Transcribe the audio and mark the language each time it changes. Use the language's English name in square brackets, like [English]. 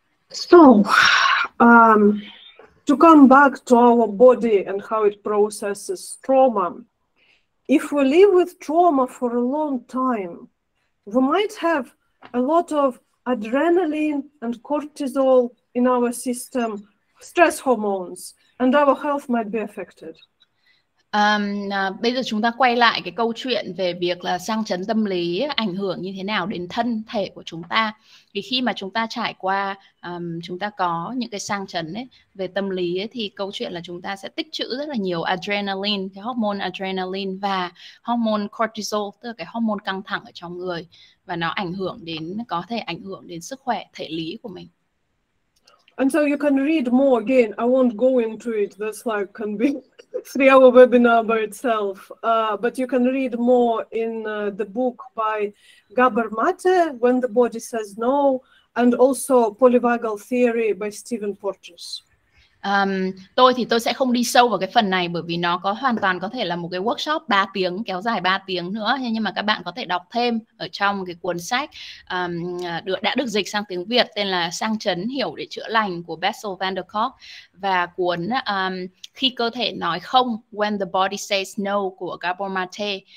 [English] So, to come back to our body and how it processes trauma. If we live with trauma for a long time, we might have a lot of adrenaline and cortisol in our system, stress hormones, and our health might be affected. [Vietnamese] Bây giờ chúng ta quay lại cái câu chuyện về việc là sang chấn tâm lý ảnh hưởng như thế nào đến thân thể của chúng ta. Vì khi mà chúng ta trải qua, chúng ta có những cái sang chấn ấy, về tâm lý ấy, thì câu chuyện là chúng ta sẽ tích trữ rất là nhiều adrenaline, cái hormone adrenaline và hormone cortisol, tức là cái hormone căng thẳng ở trong người, và nó ảnh hưởng đến, có thể ảnh hưởng đến sức khỏe thể lý của mình. [English] And so you can read more again. I won't go into it. That's like can be 3-hour webinar by itself. But you can read more in the book by Gabor Mate, When the Body Says No, and also Polyvagal Theory by Stephen Porges. [Vietnamese] Tôi thì tôi sẽ không đi sâu vào cái phần này bởi vì nó có hoàn toàn có thể là một cái workshop 3 tiếng, kéo dài 3 tiếng nữa. Nhưng mà các bạn có thể đọc thêm ở trong cái cuốn sách đã được dịch sang tiếng Việt tên là Sang Chấn Hiểu Để Chữa Lành của Bessel van der Kolk, và cuốn Khi Cơ Thể Nói Không, When the Body Says No của Gabor Mate.